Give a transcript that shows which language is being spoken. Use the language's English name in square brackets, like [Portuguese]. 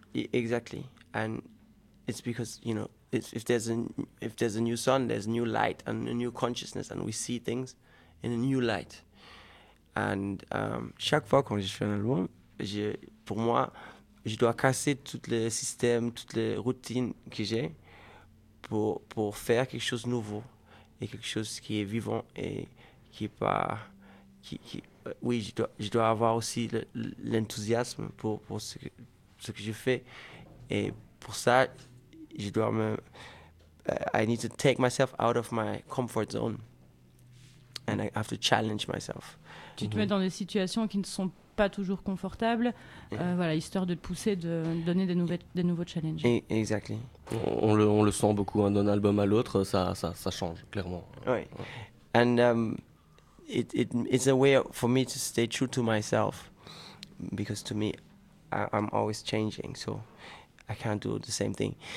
[English] Exactly, and it's because you know. If there's a new sun, there's new light and a new consciousness, and we see things in a new light. [French] And chaque fois quand je fais un album, pour moi, je dois casser tous les systèmes, toutes les routines que j'ai pour faire quelque chose de nouveau et quelque chose qui est vivant et qui est pas qui oui, je dois avoir aussi l'enthousiasme pour ce que je fais, et pour ça je dois me... [English] I need to take myself out of my comfort zone. And I have to challenge myself. [French] Tu te mets dans des situations qui ne sont pas toujours confortables. Voilà, histoire de te pousser, de donner des nouveaux challenges. [English] Exactly. [French] On le sent beaucoup, hein, d'un album à l'autre, ça change, clairement. Oui. Ouais. [English] And it's a way for me to stay true to myself. Because to me, I'm always changing, so... I can't do the same thing.